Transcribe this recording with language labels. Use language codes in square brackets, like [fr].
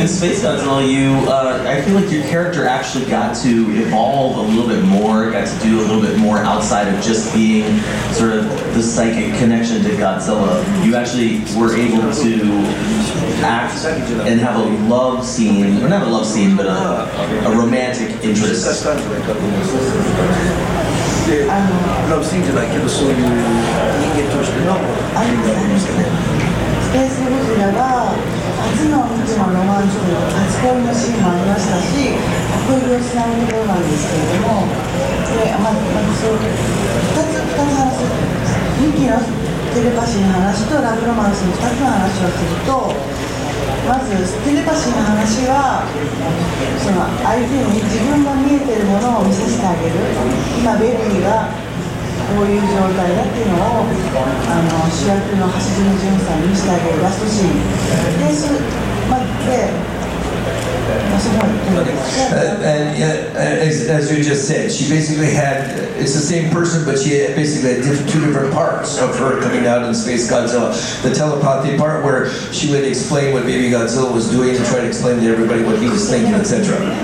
[en] In Space Godzilla, I feel like your character actually got to evolve a little bit more, got to do a little bit more outside of just being sort of the psychic connection to Godzilla. You actually were able to act and have a love scene, or not a love scene, but a romantic interest. [ja] テレパシーの話とラブロマンスの2つの話をすると、まずテレパシーの話はその相手に自分が見えてるものを見させてあげる。今ベビーがこういう状態だっていうのをあの主役の橋爪純さんに見せてあげる。ラストシーンです。 [en] As you just said, she basically had, it's the same person, but she had basically had two different parts of her coming out in Space Godzilla. The telepathy part where she would explain what Baby Godzilla was doing and try to explain to everybody what he was thinking, etc.